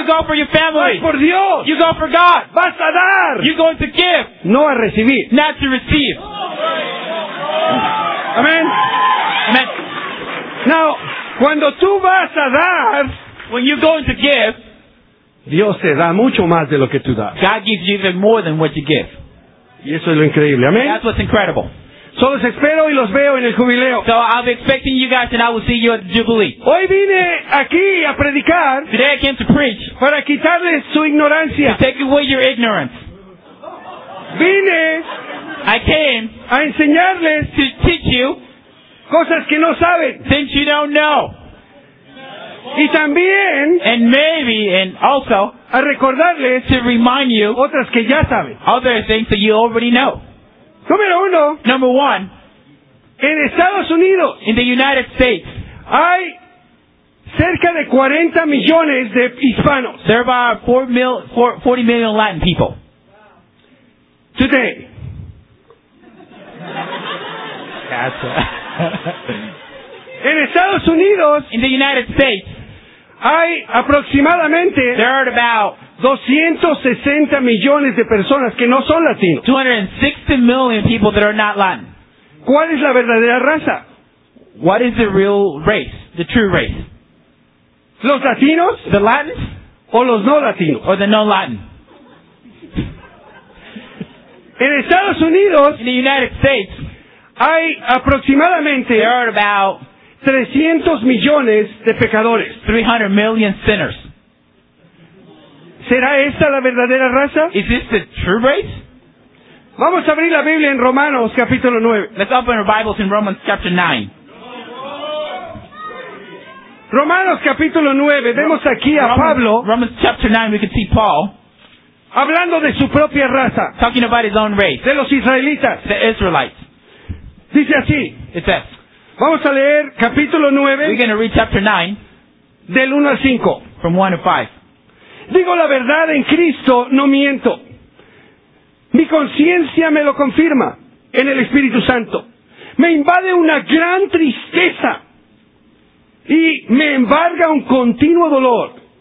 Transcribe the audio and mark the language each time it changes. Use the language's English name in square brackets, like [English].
[English] You go for your family. [Spanish] Vas por Dios. [English] You go for God. [Spanish] Vas a dar. [English] You're going to give. [Spanish] No a recibir. [English] Not to receive. Amen. Amen. [Spanish] Now, cuando tú vas a dar, [English] when you're going to give, [Spanish] Dios te da mucho más de lo que tú das. [English] God gives you even more than what you give. [Spanish] Y eso es lo increíble. Amen. [English] That's what's incredible. [Spanish] So los espero y los veo en el jubileo. [English] So I'm expecting you guys and I will see you at the jubilee. [Spanish] Hoy vine aquí a predicar. [English] Today I came to preach. [Spanish] Para quitarles su ignorancia. [English] To take away your ignorance. [Spanish] Vine. [English] I came. [Spanish] A enseñarles. [English] To teach you. [Spanish] Cosas que no saben. [English] Things you don't know. [Spanish] Y también. [English] And maybe and also. [Spanish] A recordarles. [English] To remind you. [Spanish] Otras que ya saben. [English] Other things that you already know. [Spanish] Número uno. [English] Number one. [Spanish] En Estados Unidos. [English] In the United States. [Spanish] Hay Cerca de 40 millones de hispanos. [English] There are 40 million Latin people. Today. [Spanish] En Estados Unidos. [English] In the United States. [Spanish] Hay aproximadamente. [English] There are about [Spanish] 260 millones de personas que no son latinos. [English] 260 million people that are not Latin. [Spanish] ¿Cuál es la verdadera raza? [English] What is the real race? The true race. [Spanish] ¿Los latinos? [English] The Latins? [Spanish] ¿O los no latinos? [English] Or the non-Latin. [Spanish] En Estados Unidos. [English] In the United States. [Spanish] Hay aproximadamente. [English] There are about [Spanish] 300 millones de pecadores. [English] 300 million sinners. [Spanish] ¿Será esta la verdadera raza? [English] Is this the true race? [Spanish] Vamos a abrir la Biblia en Romanos capítulo 9. [English] Let's open our Bibles in Romans chapter 9. [Spanish] Romanos capítulo 9. Vemos aquí a Pablo. [English] Romans chapter 9, we can see Paul. [Spanish] Hablando de su propia raza. [English] Talking about his own race. [Spanish] De los israelitas. [English] The Israelites. [Spanish] Dice así. [English] It says. [Spanish] Vamos a leer capítulo 9. [English] We're going to read chapter 9. [Spanish] Del 1 al 5. [English] From 1 to 5. [Spanish] Digo la verdad en Cristo, no miento. Mi conciencia me lo confirma en el Espíritu Santo. Me invade una gran tristeza y me embarga un continuo dolor.